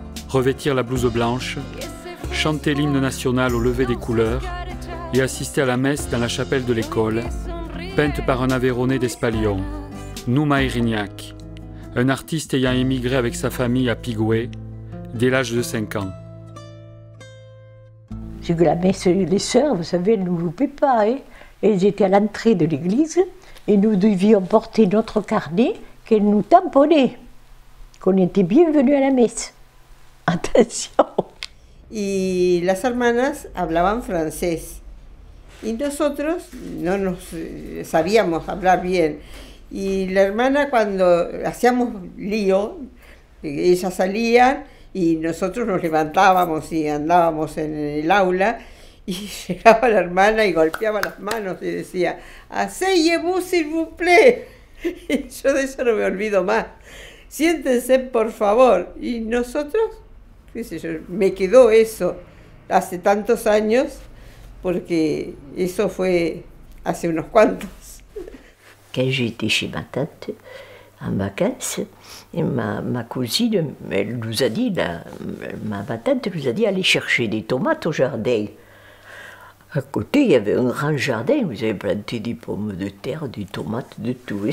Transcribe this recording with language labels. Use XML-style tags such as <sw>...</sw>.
<fr>Revêtir la blouse blanche, chanter l'hymne national au lever des couleurs et assister à la messe dans la chapelle de l'école, peinte par un Aveyronné d'Espalion, Numa Erignac, un artiste ayant émigré avec sa famille à Pigüé dès l'âge de 5 ans. C'est que la messe, les sœurs, vous savez, elles ne nous loupaient pas. Hein. Elles étaient à l'entrée de l'église et nous devions porter notre carnet qu'elles nous tamponnaient, qu'on était bienvenus à la messe. Attention!</fr> <es>Y las hermanas hablaban francés y nosotros no nos sabíamos hablar bien. Y la hermana, cuando hacíamos lío, ellas salían y nosotros nos levantábamos y andábamos en el aula. Y llegaba la hermana y golpeaba las manos y decía:</es> <fr>«Asseyez-vous, s'il vous plaît».</fr> <es>Y yo de eso no me olvido más. «Siéntense, por favor». Y nosotros, qué sé yo, me quedó eso hace tantos años, porque eso fue hace unos cuantos.</es> <fr>Quand j'étais chez ma tante, en vacances, et ma cousine, elle nous a dit, ma tante nous a dit, allez chercher des tomates au jardin. À côté, il y avait un grand jardin, vous avez planté des pommes de terre, des tomates, de tout.</fr>